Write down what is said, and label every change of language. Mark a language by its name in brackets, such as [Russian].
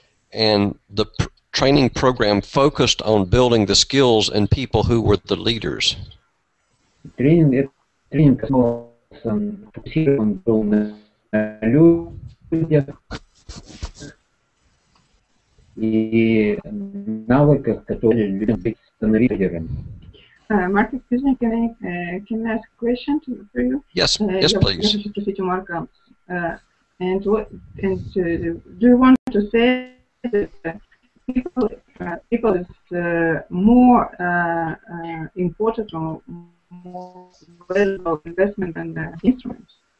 [English] And the training program focused on building the skills in people who were the leaders. [Russian] Тренинг был на людях и навыках, которые людям становились лидерами. [English] Mark, excuse me, can I ask a question for you? Yes, please. I'm interested to Mark. Do you want to say that people is more important or more valuable of investment than the instruments?